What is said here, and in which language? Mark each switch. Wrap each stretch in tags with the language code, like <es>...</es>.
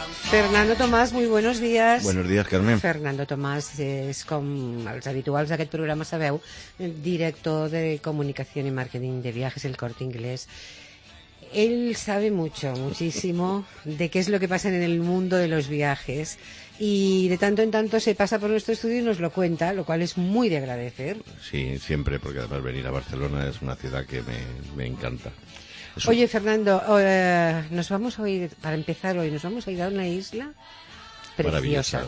<es>Fernando Tomás, muy buenos días. Buenos días, Carmen.</es> <ca>Fernando Tomás és com els habituals d'aquest programa sabeu, director de comunicació i màrqueting de viatges El Corte Inglés.</ca> <es>Él sabe mucho, muchísimo, de qué es lo que pasa en el mundo de los viajes y de tanto en tanto se pasa por nuestro estudio y nos lo cuenta, lo cual es muy de agradecer. Sí, siempre, porque además venir a Barcelona es una ciudad que me encanta. Oye, Fernando, nos vamos a ir, para empezar hoy, nos vamos a ir a una isla preciosa.</es>